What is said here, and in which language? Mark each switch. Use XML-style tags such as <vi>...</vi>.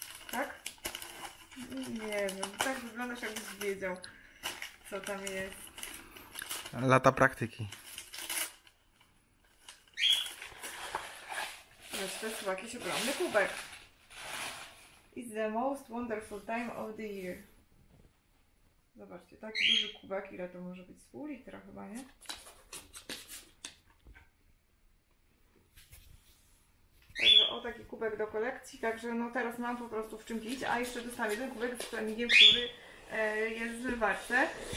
<pl>Tak? Nie wiem, tak wyglądasz, jakbyś wiedział, co tam jest. Lata praktyki. Znaczy, to jest chyba jakiś ogromny kubek.</pl> <en>It's the most wonderful time of the year.</en> <pl>Zobaczcie, taki duży kubek, ile to może być? Z pół litra chyba, nie? Także o, taki kubek do kolekcji, także no teraz mam po prostu w czym pić, a jeszcze dostałam jeden kubek z flamingiem, który jest w warce.</pl>